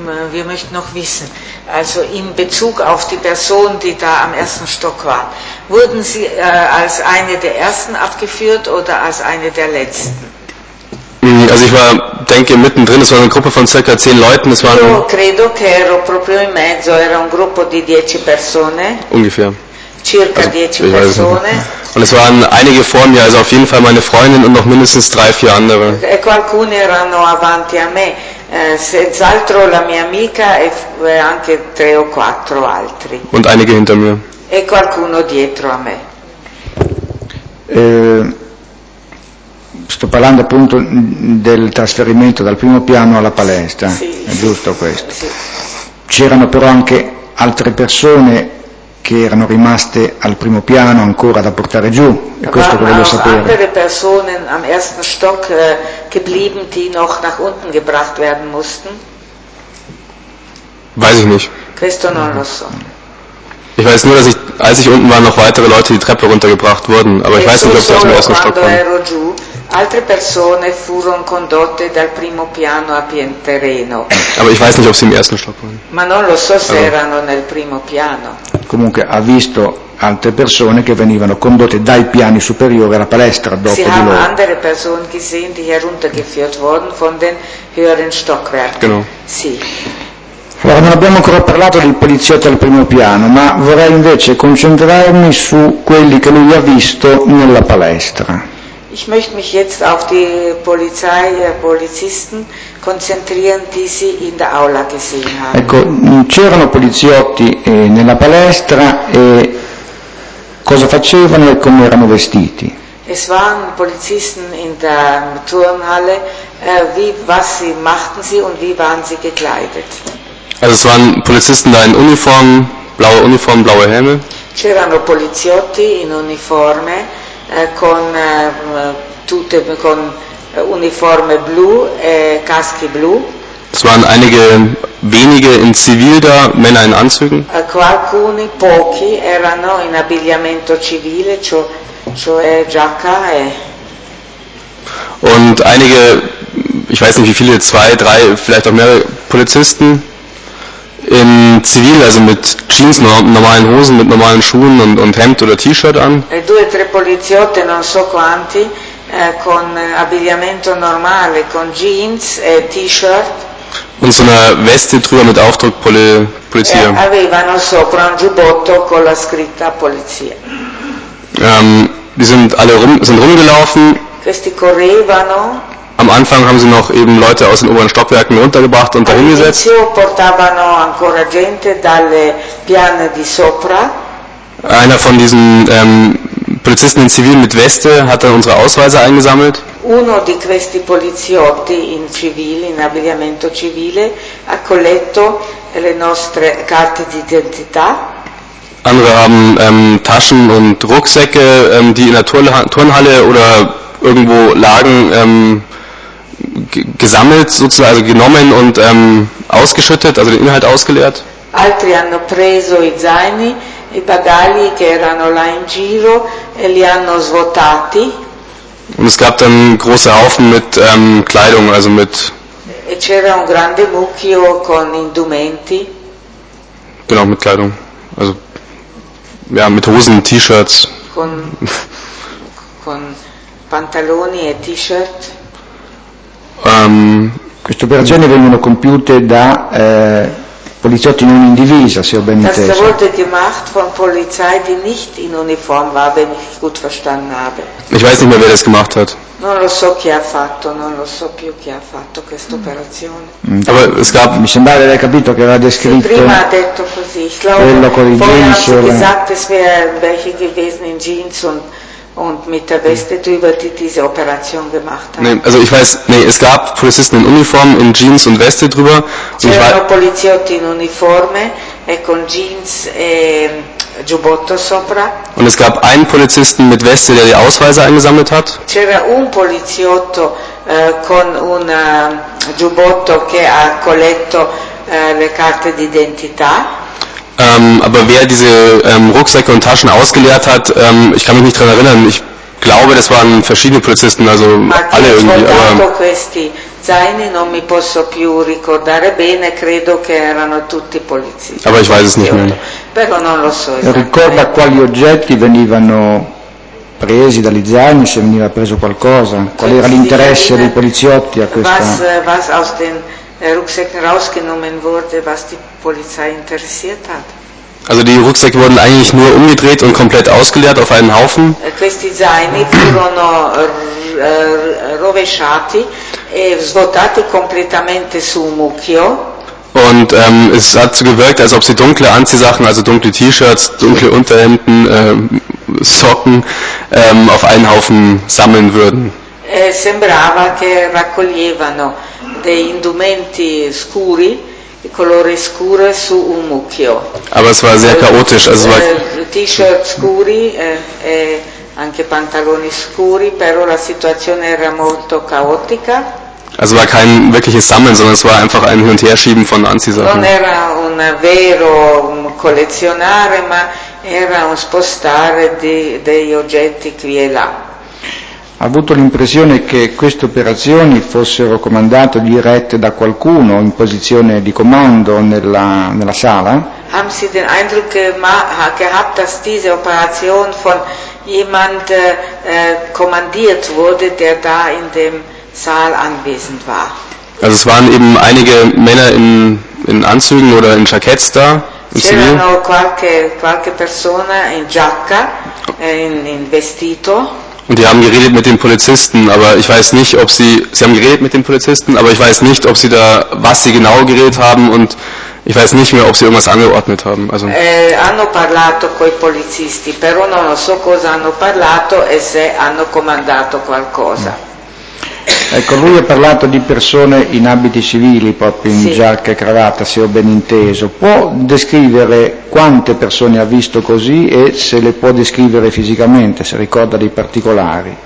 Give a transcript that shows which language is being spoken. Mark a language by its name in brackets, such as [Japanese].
[German] Wir möchten noch wissen, also in Bezug auf die Person, die da am ersten Stock war, wurden sie als eine der ersten abgeführt oder als eine der letzten? Also ich war, denke, mittendrin, es war eine Gruppe von circa 10 Leuten, es waren... [Italian] Io credo che ero proprio in mezzo, era un gruppo di 10 persone. [German] Ungefähr. [Italian] Circa 10 persone. [German] Und es waren einige vor mir, also auf jeden Fall meine Freundin und noch mindestens 3-4 andere. [Italian] E qualcuno erano avanti a me, senz'altro la mia amica e anche 3 o 4 altri. [German] Und einige hinter mir. [Italian] E qualcuno dietro a me. Sto parlando appunto del trasferimento dal primo piano alla palestra, sì, è giusto questo. Sì. C'erano però anche altre persone che erano rimaste al primo piano ancora da portare giù, e questo volevo sapere. Altre persone [German] am ersten Stock geblieben, die noch nach unten gebracht werden mussten? Weiß ich nicht. [Italian] Questo non lo so. [German] Ich weiß nur, dass ich, als ich unten war, noch weitere Leute die Treppe runtergebracht wurden, aber ich weiß nicht, ob sie auf dem ersten Stock waren. [Italian] Altre persone furono condotte dal primo piano a pian terreno. [German] Aber ich weiß nicht, ob sie im ersten Stock waren. [Italian] Ma non lo so se erano nel primo piano. Comunque ha visto altre persone che venivano condotte dai piani superiori alla palestra dopo [German] sie [Italian] di loro. [German] Sie haben andere Personen gesehen, die heruntergeführt wurden von den höheren Stockwerken. Genau. [Italian] Sì. Allora, non abbiamo ancora parlato del poliziotto al primo piano, ma vorrei invece concentrarmi su quelli che lui ha visto nella palestra. [German] Ich möchte mich jetzt auf die Polizei, Polizisten konzentrieren, die sie in der Aula gesehen haben. [Italian] Ecco, c'erano poliziotti nella palestra e cosa facevano e come erano vestiti? [German] Es waren Polizisten in der Turnhalle. Was sie machten sie und wie waren sie gekleidet? Also es waren Polizisten da in Uniform, blaue Uniform, blaue Helme. [Italian] C'erano poliziotti in uniforme. Con tutte con uniforme blu e caschi blu. [German] Es waren einige wenige in Zivil da, Männer in Anzügen. [Italian] Alcuni pochi erano in abbigliamento civile, cioè giacca e. [German] Und einige, ich weiß nicht wie viele, 2, 3, vielleicht auch mehr Polizisten in Zivil, also mit Jeans, normalen Hosen, mit normalen Schuhen und Hemd oder T-Shirt an. [Italian] E 2 o 3 poliziotti, non so quanti, con abbigliamento normale, con Jeans e T-Shirt. [German] Und so eine Weste drüber mit Aufdruck Polizia. [Italian] Avevano sopra un giubbotto con la scritta Polizia. [German] Die sind alle sind rumgelaufen. [Italian] Questi correvano. [German] Am Anfang haben sie noch eben Leute aus den oberen Stockwerken runtergebracht und dahin gesetzt. [Italian] All'inizio portavano ancora gente dalle piane di sopra. [German] Einer von diesen Polizisten in Zivil mit Weste hat dann unsere Ausweise eingesammelt. [Italian] Uno di questi poliziotti in civile, in abbigliamento civile, ha colletto le nostre carte d'identità. [German] Andere haben Taschen und Rucksäcke, die in der Turnhalle oder irgendwo lagen, gesammelt sozusagen, also genommen und ausgeschüttet, also den Inhalt ausgeleert. [Italian] Altri hanno preso i zaini, i bagagli che erano là in giro e li hanno svuotati. [German] Und es gab dann große Haufen mit Kleidung, also mit. [Italian] E c'era un grande mucchio con indumenti. [German] Genau, mit Kleidung, also ja, mit Hosen, T-Shirts. [Italian] Con pantaloni e T-Shirt. Queste operazioni vengono compiute da poliziotti non in divisa, se ho ben inteso. [German] Das wurde gemacht von Polizei, die nicht in Uniform war, wenn ich gut verstanden habe. Ich weiß nicht mehr, wer das gemacht hat. [Italian] Non lo so chi ha fatto, non lo so più chi ha fatto questa operazione. Mi sembrava di aver capito che aveva descritto. Sì, prima ha detto così. Quello con il genso. [German] Also ich weiß, nee, es gab Polizisten in Uniform, in Jeans und Weste drüber. [Italian] C'erano poliziotti in uniforme e con jeans e giubbotto sopra. [German] Und es gab einen Polizisten mit Weste, der die Ausweise eingesammelt hat. [Italian] C'era un poliziotto con un giubbotto che ha colletto le carte d'identità. [German] Aber wer diese Rucksäcke und Taschen ausgeleert hat, ich kann mich nicht daran erinnern. Ich glaube, das waren verschiedene Polizisten, also alle irgendwie. Aber [Italian] questi zaini non mi posso più ricordare bene, credo che erano tutti polizisti. [German] Aber ich weiß es nicht mehr. [Italian] Però non lo so. Ricorda quali oggetti venivano presi dagli zaini, se veniva preso qualcosa? Qual era l'interesse dei poliziotti a questa? [German] Was aus den Rucksäcken rausgenommen wurde, was die Polizei interessiert hat. Also die Rucksäcke wurden eigentlich nur umgedreht und komplett ausgeleert auf einen Haufen. [Italian] Questi zaini furono rovesciati e svuotati completamente su un mucchio. [German] Und es hat so gewirkt, als ob sie dunkle Anziehsachen, also dunkle T-Shirts, dunkle Unterhemden, Socken auf einen Haufen sammeln würden. [Italian] Sembrava che raccoglievano dei indumenti scuri, di colore scuro, su un mucchio. [German] Aber es war sehr chaotisch. Also [Italian] T-shirt scuri e anche pantaloni scuri, però la situazione era molto caotica. [German] Also war kein wirkliches Sammeln, sondern es war einfach ein Hin- und Herschieben von Anziehsachen. [Italian] Non era un vero collezionare, ma era un spostare degli oggetti qui e là. Ha avuto l'impressione che queste operazioni fossero comandate o dirette da qualcuno in posizione di comando nella sala? [German] Haben Sie den Eindruck gehabt, dass diese Operation von jemand kommandiert wurde, der da in dem Saal anwesend war? Also es waren eben einige Männer in Anzügen oder in Jacketts da. [Italian] C'erano qualche persona in giacca, in vestito. [German] Und die haben geredet mit den Polizisten, aber ich weiß nicht, ob sie haben geredet mit den Polizisten, aber ich weiß nicht, ob sie da, was sie genau geredet haben und ich weiß nicht mehr, ob sie irgendwas angeordnet haben. Also [Italian] hanno parlato coi polizisti, però non so cosa hanno parlato e se hanno comandato qualcosa. Ecco, lui ha parlato di persone in abiti civili, proprio in giacca e cravatta, se ho ben inteso. Può descrivere quante persone ha visto così e se le può descrivere fisicamente, se ricorda dei particolari?